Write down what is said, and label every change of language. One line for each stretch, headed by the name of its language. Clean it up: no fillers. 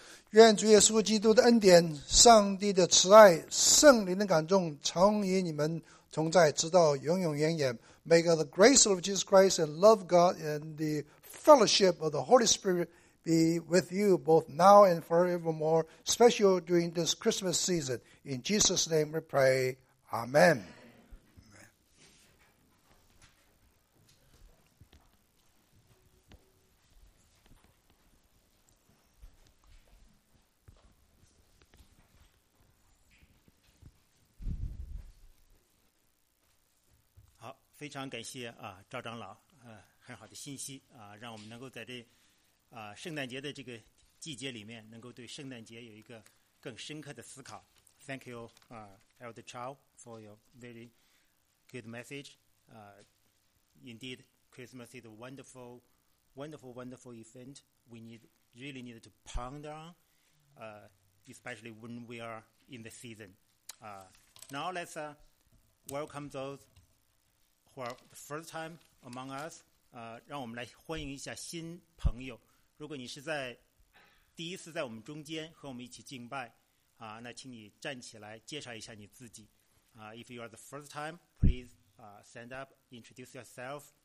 Chinese: 愿主耶稣基督的恩典、上帝的慈爱、圣灵的感动常与你们同在，直到永永远远。
English: May the grace of Jesus Christ and love God and the fellowship of the Holy Spirit be with you both now and forevermore, special during this Christmas season. In Jesus' name we pray. Amen.
Chinese: 非常感谢啊，赵长老，很好的信息啊，让我们能够在这啊圣诞节的这个季节里面，能够对圣诞节有一个更深刻的思考。
English: Thank you, Elder Chow, for your very good message. Indeed, Christmas is a wonderful, wonderful, wonderful event. We really need to ponder on, especially when we are in the season. Now let's welcome those. For the first time among us,
Chinese: 让我们来欢迎一下新朋友。如果你是在第一次在我们中间和我们一起敬拜，那请你站起来介绍一下你自己。
English: If you are the first time, please stand up, introduce yourself.